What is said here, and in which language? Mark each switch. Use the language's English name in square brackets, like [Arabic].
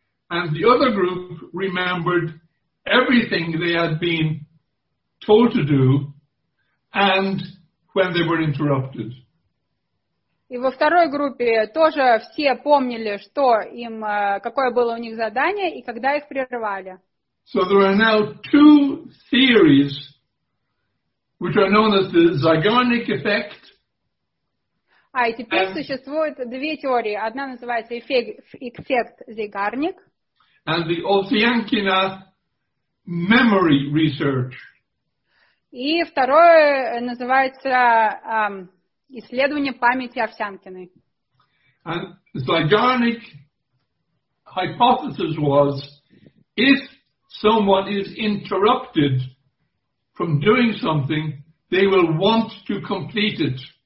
[English] And the other group remembered everything they had been told to do and when they were interrupted. [Russian] И во второй группе тоже все помнили, что им, какое было у них задание и когда их прервали. [English] So there are now two theories which are known as the Zeigarnik effect. [Russian] А и теперь существуют две теории. Одна называется эффект Зейгарник. [English] And the Ovsyankina memory research. [Russian] И второе называется исследование памяти Овсянкиной. [English] And Zeigarnik hypothesis was if someone is interrupted from doing something, they will want to complete it.